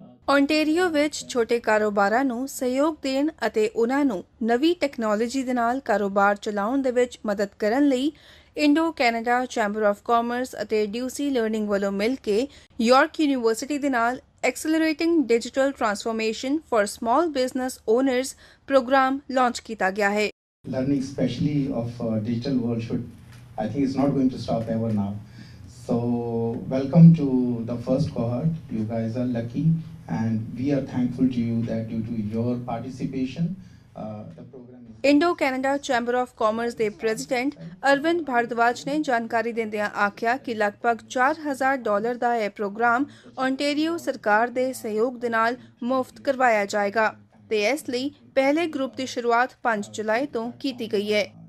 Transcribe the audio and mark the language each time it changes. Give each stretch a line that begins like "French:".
Punjabi: Ontario ਵਿੱਚ ਛੋਟੇ ਕਾਰੋਬਾਰਾਂ ਨੂੰ ਸਹਿਯੋਗ ਦੇਣ ਅਤੇ ਉਹਨਾਂ ਨੂੰ ਨਵੀਂ ਟੈਕਨੋਲੋਜੀ ਦੇ ਨਾਲ ਕਾਰੋਬਾਰ ਚਲਾਉਣ ਦੇ ਵਿੱਚ ਮਦਦ ਕਰਨ ਲਈ Indo Canada chamber of commerce ਅਤੇ ਡਿਊਸੀ ਲਰਨਿੰਗ ਵੱਲੋਂ ਮਿਲ ਕੇ ਯੋਰਕ ਯੂਨੀਵਰਸਿਟੀ ਦੇ ਨਾਲ ਐਕਸਲਰੇਟਿੰਗ digital transformation for small business honours programme launch ਕੀਤਾ ਗਿਆ ਹੈ।
English: Learning especially of digital world should, I think it's not going to stop ever now. So welcome to the first cohort. You guys are lucky and we are thankful to you that due to your participation, the program is...
Punjabi: Indo Canada chamber of commerce ਦੇ president Arvind Bhardwaj ਨੇ ਜਾਣਕਾਰੀ ਦਿੰਦਿਆਂ ਆਖਿਆ ਕਿ ਲਗਭਗ $4,000 ਦਾ ਇਹ programme Ontario ਸਰਕਾਰ ਦੇ ਸਹਿਯੋਗ ਦੇ ਨਾਲ ਮੁਫ਼ਤ ਕਰਵਾਇਆ ਜਾਏਗਾ ਤੇ ਇਸ ਲਈ ਪਹਿਲੇ ਗਰੁੱਪ ਦੀ ਸ਼ੁਰੂਆਤ 5 ਜੁਲਾਈ ਤੋਂ ਕੀਤੀ ਗਈ ਹੈ।